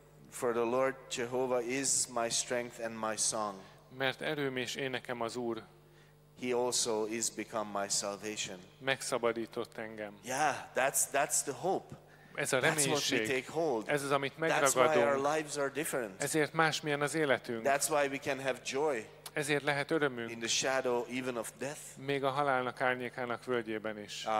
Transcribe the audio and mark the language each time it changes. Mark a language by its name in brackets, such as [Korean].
[English] For the Lord Jehovah is my strength and my song. [Hungarian] Mert erőm és énekem az Úr. [English] He also is become my salvation. [Hungarian] Megszabadított engem. [English] Yeah, that's the hope. [Hungarian] Ez a reménység. [English] That's what we take hold. [Hungarian] Ez az, amit megragadunk. [English] That's why our lives are different. [Hungarian] Ezért másmilyen az életünk. [English] That's why we can have joy. [Hungarian] Ezért lehet örömünk. [English] In the shadow even of death. [Hungarian] Még a halálnak árnyékának völgyében is.